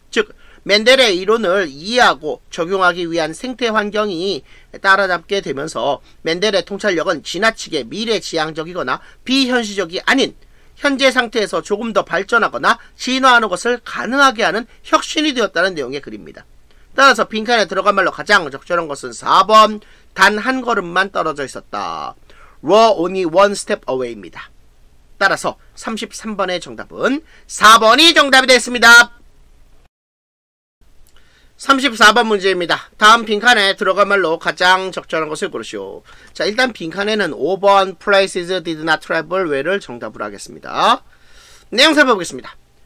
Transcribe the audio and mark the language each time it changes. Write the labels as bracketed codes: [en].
[ko] 즉, 맨델의 이론을 이해하고 적용하기 위한 생태 환경이 따라잡게 되면서 맨델의 통찰력은 지나치게 미래지향적이거나 비현실적이 아닌 현재 상태에서 조금 더 발전하거나 진화하는 것을 가능하게 하는 혁신이 되었다는 내용의 글입니다. 따라서 빈칸에 들어간 말로 가장 적절한 것은 4번 단 한 걸음만 떨어져 있었다. [en] We're only one step away입니다. [ko] 따라서 33번의 정답은 4번이 정답이 됐습니다. 34번 문제입니다. 다음 빈칸에 들어간 말로 가장 적절한 것을 고르시오. 자, 일단 빈칸에는 5번 [en] Places did not travel well [ko] 을 정답으로 하겠습니다. 내용 살펴보겠습니다.